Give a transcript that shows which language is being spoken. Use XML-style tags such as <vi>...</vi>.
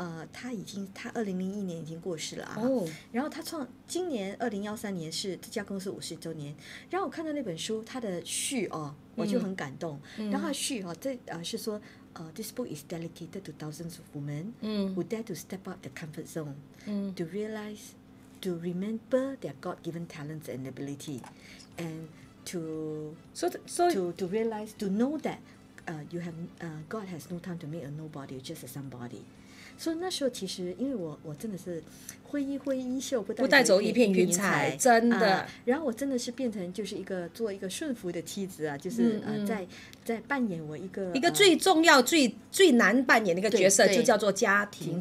<zh>他2001年已经过世了啊。然后他创今年2013年是这家公司50周年。然后我看到那本书，他的序哦，我就很感动。然后他序哦，是说，</zh> <en>this book is dedicated to thousands of women who dare to step out their comfort zone to realize, to remember their God-given talents and ability, and to realize, to know that, God has no time to make a nobody, just a somebody.</en> <zh>所以那时候其实因为我真的是挥衣袖不带走一片云彩，真的、然后我真的是变成就是一个做一个顺服的妻子啊，就是在扮演我一个最重要最难扮演的一个角色，就叫做家庭</zh>